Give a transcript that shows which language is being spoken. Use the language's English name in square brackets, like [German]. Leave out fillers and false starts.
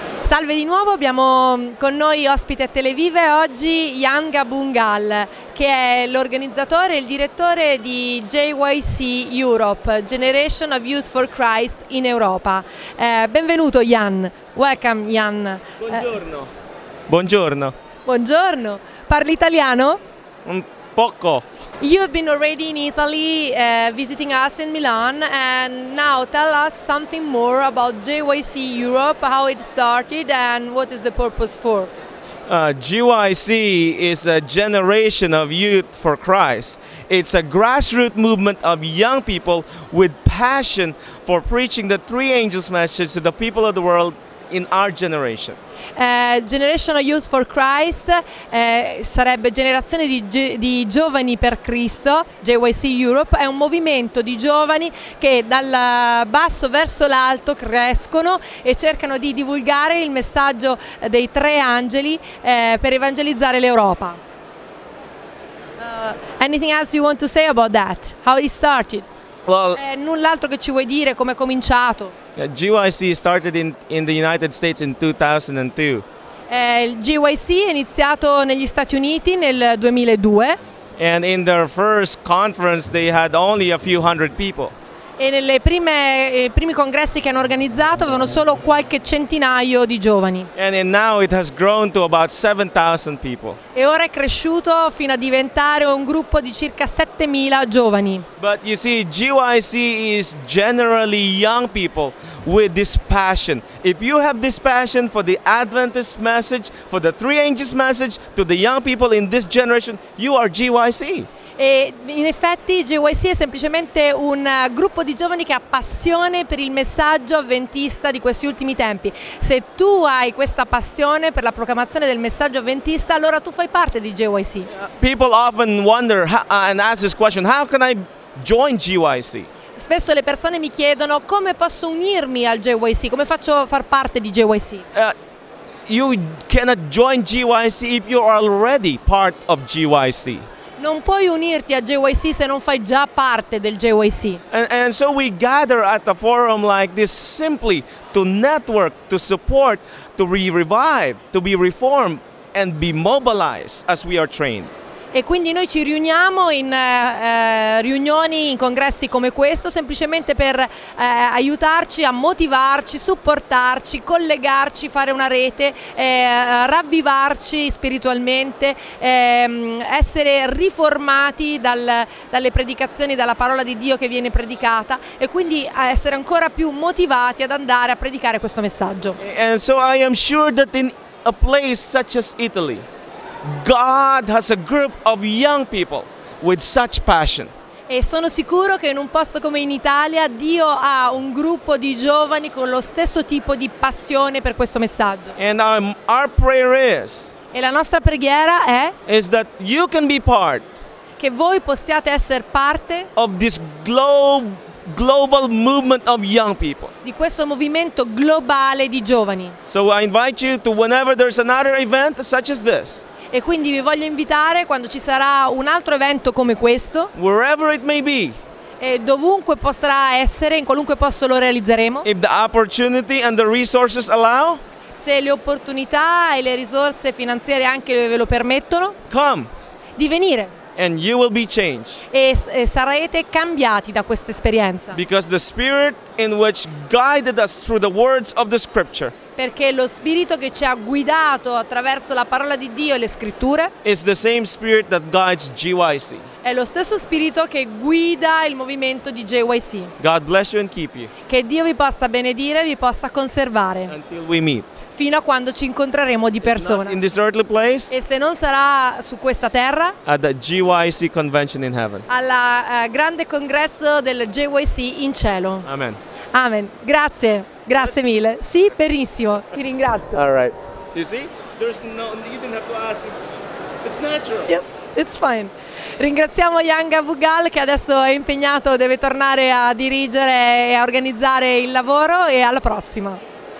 [Italian] Salve di nuovo, abbiamo con noi ospite a Televive oggi Yanga Bungal, che è l'organizzatore e il direttore di JYC Europe, Generation of Youth for Christ in Europa. Benvenuto Yan, [English] welcome Yan. [Italian] Buongiorno. Buongiorno. Buongiorno, parli italiano? Un poco. [English] You've been already in Italy visiting us in Milan, and now tell us something more about JYC Europe, how it started and what is the purpose for? JYC is a Generation of Youth for Christ. It's a grassroots movement of young people with passion for preaching the three angels message to the people of the world in our generation. [Italian] Generation of Youth for Christ sarebbe generazione di giovani per Cristo. JYC Europe è un movimento di giovani che dal basso verso l'alto crescono e cercano di divulgare il messaggio dei tre angeli per evangelizzare l'Europa. [English] Anything else you want to say about that? How it started? [Italian] Well, null'altro che ci vuoi dire, come è cominciato? [English] GYC started in the United States in 2002. [Italian] Il GYC è iniziato negli Stati Uniti nel 2002. [English] And in their first conference they had only a few hundred people. [Italian] E nelle prime primi congressi che hanno organizzato avevano solo qualche centinaio di giovani. [English] And now it has grown to about 7,000 people. [Italian] E ora è cresciuto fino a diventare un gruppo di circa 7,000 giovani. [English] But you see, GYC is generally young people with this passion. If you have this passion for the Adventist message, for the three angels message to the young people in this generation, you are GYC. [Italian] E in effetti JYC è semplicemente un gruppo di giovani che ha passione per il messaggio avventista di questi ultimi tempi. Se tu hai questa passione per la proclamazione del messaggio avventista, allora tu fai parte di JYC. [English] People often wonder and ask this question, how can I join JYC? [Italian] Spesso le persone mi chiedono come posso unirmi al JYC, come faccio a far parte di JYC? [English] You cannot join JYC if you are already part of JYC. [Italian] Non puoi unirti a JYC se non fai già parte del JYC. [English] And so we gather at a forum like this simply to network, to support, to be revived, to be reformed and be mobilized as we are trained. [Italian] E quindi noi ci riuniamo in riunioni, in congressi come questo, semplicemente per aiutarci a motivarci, supportarci, collegarci, fare una rete, ravvivarci spiritualmente, essere riformati dalle predicazioni, dalla parola di Dio che viene predicata e quindi essere ancora più motivati ad andare a predicare questo messaggio. [English] And so I am sure that in a place such as Italy, God has a group of young people with such passion. [Italian] E sono sicuro che in un posto come in Italia Dio ha un gruppo di giovani con lo stesso tipo di passione per questo messaggio. [English] And our prayer is. [Italian] E la nostra preghiera è. [English] Is that you can be part. [Italian] Che voi possiate essere parte. [English] Of this global movement of young people. [Italian] Di questo movimento globale di giovani. [English] So I invite you to whenever there's another event such as this. [Italian] E quindi vi voglio invitare quando ci sarà un altro evento come questo. [English] Wherever it may be. [Italian] E dovunque potrà essere, in qualunque posto lo realizzeremo. [English] If the opportunity and the resources allow. [Italian] Se le opportunità e le risorse finanziarie anche ve lo permettono. [English] Come. [Italian] Di venire. [English] And you will be changed. [Italian] E sarete cambiati da questa esperienza. [English] Because the spirit in which guided us through the words of the scripture. [Italian] Perché lo spirito che ci ha guidato attraverso la parola di Dio e le scritture [English] is the same spirit that guides JYC. [Italian] È lo stesso spirito che guida il movimento di JYC. [English] God bless you and keep you. [Italian] Che Dio vi possa benedire e vi possa conservare. [English] Until we meet. [Italian] Fino a quando ci incontreremo di persona. [English] In this earthly place, [Italian] e se non sarà su questa terra, [English] at the JYC convention in heaven. [Italian] Alla grande congresso del JYC in cielo. [English] Amen. [Italian] Amen. Grazie. Grazie mille. Sì, benissimo. Ti ringrazio. [English] All right. You see? There's no, you didn't have to ask. It's natural. Yes, it's fine. [Italian] Ringraziamo Yanga Bungal che adesso è impegnato, deve tornare a dirigere e a organizzare il lavoro e alla prossima.